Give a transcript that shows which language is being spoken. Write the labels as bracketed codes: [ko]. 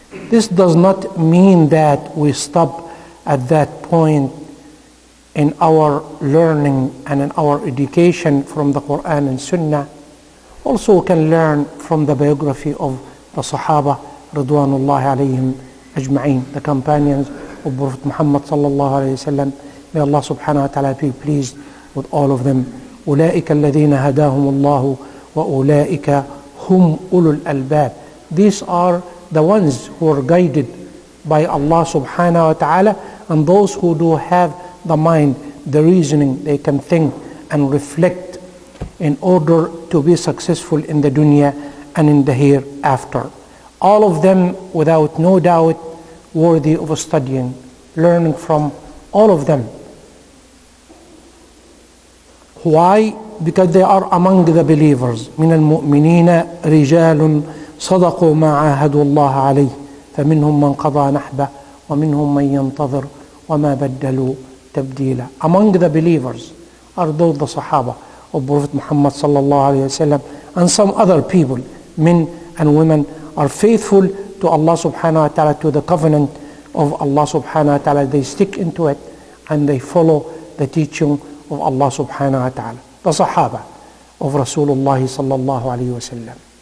[en] This does not mean that we stop at that point in our learning and in our education from the Quran and Sunnah. Also we can learn from the biography of the Sahaba Ridwanullahi alayhim ajma'in, the companions of Prophet Muhammad sallallahu alayhi wa sallam. May Allah subhanahu wa ta'ala be pleased with all of them. [ar] أولئك الذين هداهم الله وأولئك هم أولو الألباب. [en] These are the ones who are guided by Allah subhanahu wa ta'ala, and those who do have the mind, the reasoning, they can think and reflect in order to be successful in the dunya and in the hereafter. All of them, without no doubt, worthy of studying, learning from all of them. Why? Because they are among the believers. [ar] من المؤمنين رجال صدقوا ما عاهدوا الله عليه فمنهم من قضى نحبه ومنهم من ينتظر وما بدلوا تبديلا. [en] Among the believers are those the Sahaba of Prophet Muhammad sallallahu alayhi wa sallam, and some other people, men and women, are faithful to Allah subhanahu wa ta'ala, to the covenant of Allah subhanahu wa ta'ala. They stick into it and they follow the teaching of Allah subhanahu wa ta'ala, the Sahaba of Rasulullah sallallahu alayhi wa sallam.